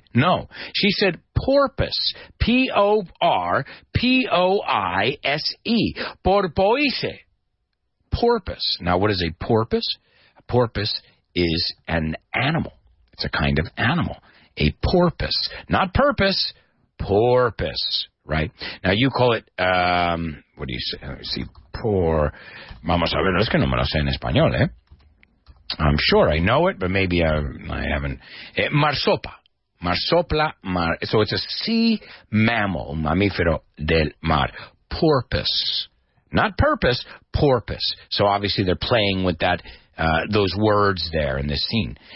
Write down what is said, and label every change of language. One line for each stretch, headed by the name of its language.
English: No, she said porpoise, P-O-R-P-O-I-S-E, porpoise, porpoise. Now, what is a porpoise? A porpoise is an animal. It's a kind of animal, a porpoise, not purpose, porpoise, right? Now, you call it, what do you say? Let's see.
Spanish: Poor, vamos a ver, es que no me lo sé en español, ¿eh?
English: I'm sure I know it, but maybe I haven't. Marsopa. Marsopla. So it's a sea mammal,
Spanish: mamífero del mar.
English: Porpoise. Not purpose, porpoise. So obviously they're playing with that, those words there in this scene.